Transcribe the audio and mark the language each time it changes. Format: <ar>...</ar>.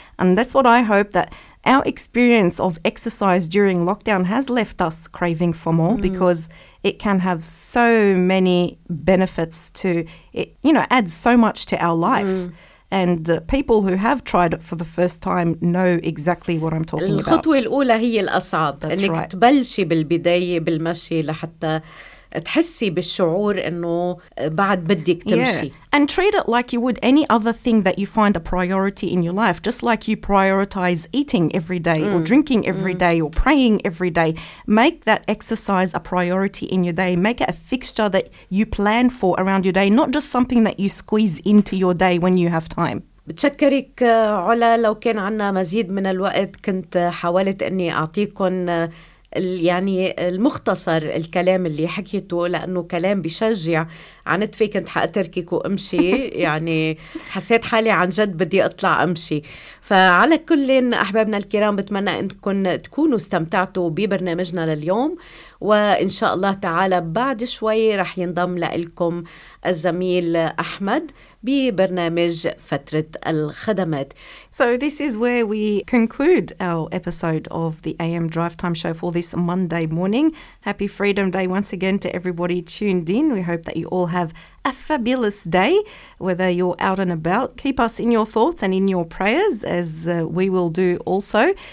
<en>And that's what I hope that our experience of exercise during lockdown has left us craving for more because it can have so many benefits to it, you know, adds so much to our life. And people who have tried it for the first time know exactly what I'm talking about.</en> <ar>الخطوة الأولى هي الأصعب.</ar> <en>That's</en> <ar>إنك</ar> <en>right.</en> <ar>تبلشي بالبداية بالمشي لحتى تحسي بالشعور إنه بعد بدك تمشي.</ar> <en>Yeah. And treat it like you would any other thing that you find a priority in your life. Just like you prioritize eating every day or drinking every day or praying every day. Make that exercise a priority in your day. Make it a fixture that you plan for around your day, not just something that you squeeze into your day when you have time.</en> <ar>بتشكرك علا. لو كان عنا مزيد من الوقت كنت حاولت أني أعطيكم يعني المختصر الكلام اللي حكيته لأنه كلام بيشجع. عنتفي كنت حأتركك وأمشي يعني حسيت حالي عن جد بدي أطلع أمشي. فعلى كل أحبابنا الكرام بتمنى أنكم تكونوا استمتعتوا ببرنامجنا لليوم، وإن شاء الله تعالى بعد شوي رح ينضم لكم الزميل أحمد ببرنامج فترة الخدمات.</ar> <en>So this is where we conclude our episode of the AM Drive Time Show for this Monday morning. Happy Freedom Day once again to everybody tuned in. We hope that you all have a fabulous day, whether you're out and about. Keep us in your thoughts and in your prayers, as we will do also.</en>